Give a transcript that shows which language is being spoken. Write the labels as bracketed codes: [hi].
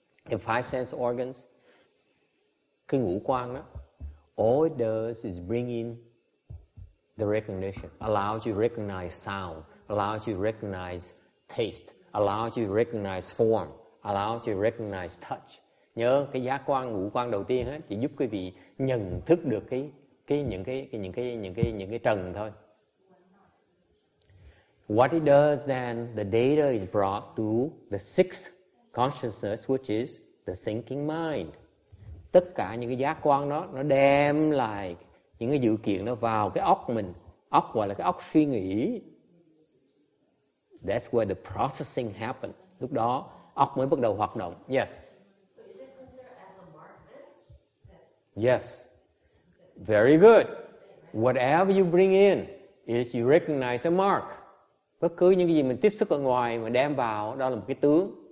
[en] The five sense organs, [vi] cái ngũ quan đó, [en] all it does is bring in the recognition, allows you to recognize sound, allows you to recognize taste, allows you to recognize form, allows you to recognize touch. [vi] Nhớ cái giác quan ngũ quan đầu tiên hết chỉ giúp quý vị nhận thức được những cái trần thôi. [en] What it does then, the data is brought to the sixth consciousness, which is the thinking mind. [vi] Tất cả những cái giác quan đó, nó đem lại những cái dữ kiện đó vào cái óc mình. Óc gọi là cái óc suy nghĩ. [en] That's where the processing happens. [vi] Lúc đó, óc mới bắt đầu hoạt động. [en] Yes. So is it considered as a mark then? Yes. Very good. Whatever you bring in, is you recognize a mark. [vi] Bất cứ những cái gì mình tiếp xúc ở ngoài mà đem vào, đó là một cái tướng.